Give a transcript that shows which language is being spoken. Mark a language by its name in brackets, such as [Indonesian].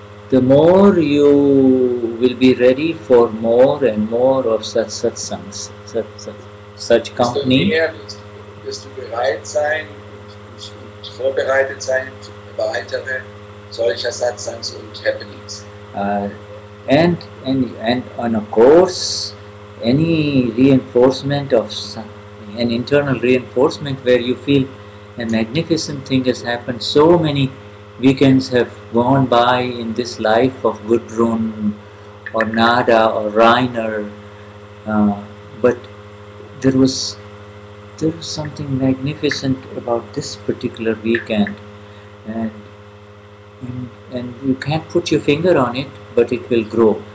[English] The more you will be ready for more and more of such satsangs, such company. [German] Desto mehr wirst du bereit sein und vorbereitet sein für weitere solcher Satsangs und Happenings. [English] And of course, any reinforcement of an internal reinforcement where you feel a magnificent thing has happened. So many weekends have gone by in this life of Gudrun or Nada or Reiner, but there was something magnificent about this particular weekend, and you can't put your finger on it, but it will grow.